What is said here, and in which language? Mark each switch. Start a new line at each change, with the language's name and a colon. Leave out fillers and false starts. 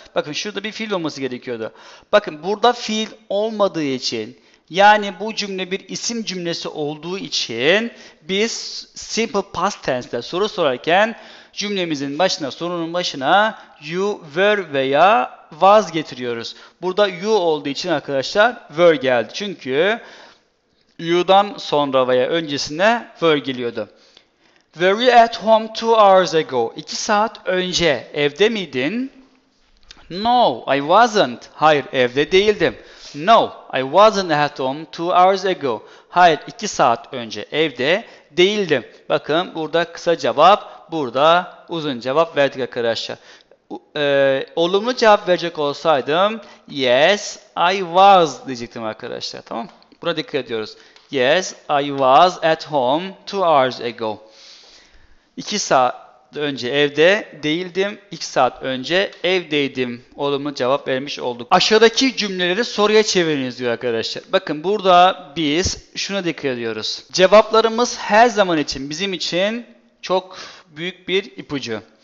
Turkish: Bakın şurada bir fiil olması gerekiyordu. Bakın burada fiil olmadığı için yani bu cümle bir isim cümlesi olduğu için biz simple past tense'de soru sorarken cümlemizin başına sorunun başına you were veya was getiriyoruz. Burada you olduğu için arkadaşlar were geldi. Çünkü you'dan sonra veya öncesine were geliyordu.
English: Were you at home 2 hours ago?
Turkish: 2 saat önce evde miydin?
English: No, I wasn't.
Turkish: Hayır, evde değildim.
English: No, I wasn't at home 2 hours ago.
Turkish: Hayır, 2 saat önce evde değildim. Bakın burada kısa cevap, burada uzun cevap verdik arkadaşlar. Olumlu cevap verecek olsaydım,
English: yes, I was
Turkish: diyecektim arkadaşlar. Tamam mı? Buna dikkat ediyoruz.
English: Yes, I was at home 2 hours ago.
Turkish: 2 saat önce evde değildim. 2 saat önce evdeydim. Olumlu cevap vermiş olduk. Aşağıdaki cümleleri soruya çeviriniz diyor arkadaşlar. Bakın burada biz şuna dikkat ediyoruz. Cevaplarımız her zaman için bizim için çok büyük bir ipucu.